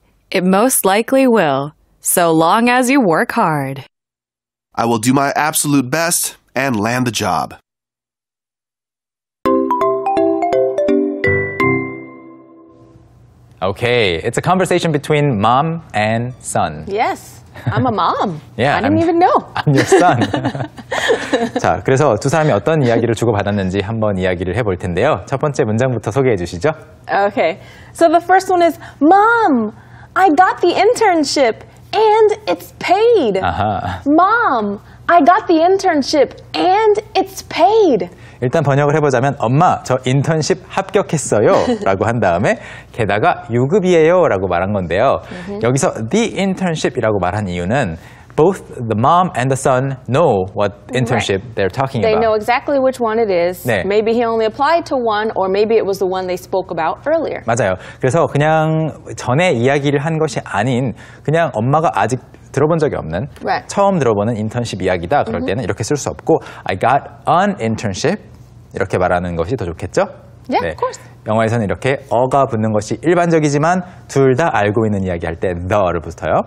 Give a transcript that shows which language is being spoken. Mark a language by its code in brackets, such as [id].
[en] It most likely will, so long as you work hard. I will do my absolute best and land the job. Okay, it's a conversation between mom and son. Yes. I'm a mom. Yeah, I didn't even know. I'm your son. [ko] 자, 그래서 두 사람이 어떤 이야기를 주고받았는지 한번 이야기를 해볼 텐데요. 첫 번째 문장부터 소개해 주시죠. [en] Okay. So the first one is, Mom, I got the internship and it's paid. Uh-huh. Mom, I got the internship and it's paid. [ko] 일단 번역을 해보자면, 엄마, 저 인턴십 합격했어요. 라고 한 다음에, 게다가 유급이에요. 라고 말한 건데요. Mm-hmm. 여기서 the internship 이라고 말한 이유는, [en] both the mom and the son know what internship right. they're talking they about. They know exactly which one it is. [ko] 네. [en] Maybe he only applied to one, or maybe it was the one they spoke about earlier. [ko] 맞아요. 그래서 그냥 전에 이야기를 한 것이 아닌, 그냥 엄마가 아직 들어본 적이 없는 [en] right. [ko] 처음 들어보는 인턴십 이야기다 그럴 때는 mm-hmm. 이렇게 쓸 수 없고 [en] I got an internship [ko] 이렇게 말하는 것이 더 좋겠죠? [en] Yeah, 네. of course. [ko] 영어에서는 이렇게 어가 붙는 것이 일반적이지만 둘 다 알고 있는 이야기할 때 the를 붙어요.